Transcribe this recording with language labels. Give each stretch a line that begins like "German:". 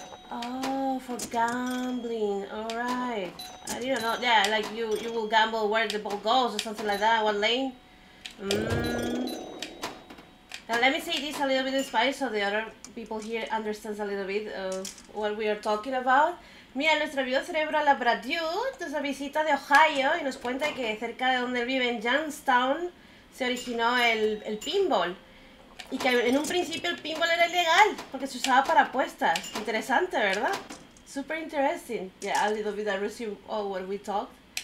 English: Oh, for gambling. Alright. I didn't know. Yeah, like you will gamble where the ball goes or something like that, one lane. Now let me say this a little bit in Spanish so the other people here understands a little bit of what we are talking about.
Spanish: Mira, nuestro amigo Cerebro Labradio nos visita de Ohio y nos cuenta que cerca de donde vive en Youngstown se originó el pinball. Y que en un principio el pinball era ilegal porque se usaba para apuestas. Interesante, ¿verdad?
English: Super interesting. Yeah, a little bit I resume all what we talked.